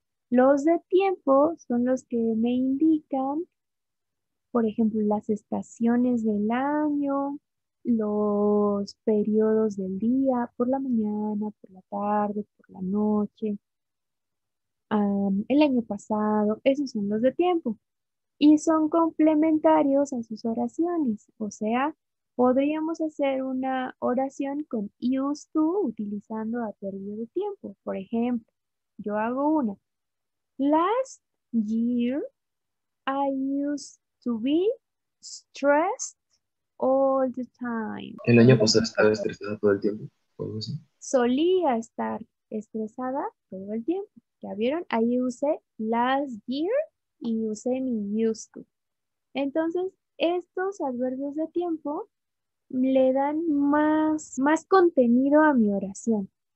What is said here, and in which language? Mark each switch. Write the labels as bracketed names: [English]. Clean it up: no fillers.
[Spanish] Los de tiempo son los que me indican, por ejemplo, las estaciones del año, los periodos del día, por la mañana, por la tarde, por la noche, el año pasado. Esos son los de tiempo. Y son complementarios a sus oraciones. O sea, podríamos hacer una oración con used to utilizando adverbio de tiempo. Por ejemplo, yo hago una. [English] Last year, I used to be stressed all the time. [Spanish] ¿El año pasado estaba estresada todo el tiempo? ¿Cómo así? Solía estar estresada todo el tiempo. ¿Ya vieron? Ahí usé last year y usé mi used to. Entonces, estos adverbios de tiempo le dan más contenido a mi oración.